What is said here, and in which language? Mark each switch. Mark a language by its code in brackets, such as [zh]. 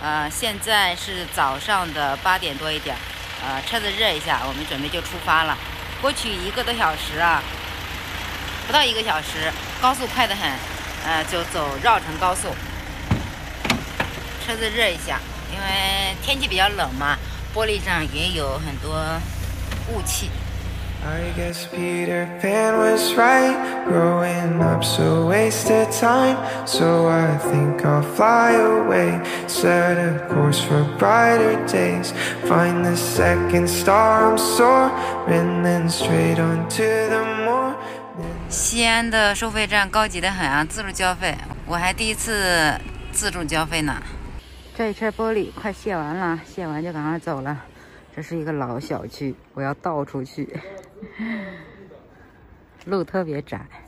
[zh] 现在是早上的8点多一点，车子热一下，我们准备就出发了。过去一个多小时啊，不到一个小时，高速快得很，就走绕城高速。车子热一下，因为天气比较冷嘛，玻璃上也有很多雾气。 [en] I guess Peter Pan was right, growing up's a waste of time, so I think I'll fly away, set a course for brighter days, find the second star I'm soaring, then straight on to the morning. [zh] 西安的收费站高级的很啊，自助交费，我还第一次自助交费呢。这一车玻璃快卸完了，卸完就赶快走了。这是一个老小区，我要倒出去，路特别窄。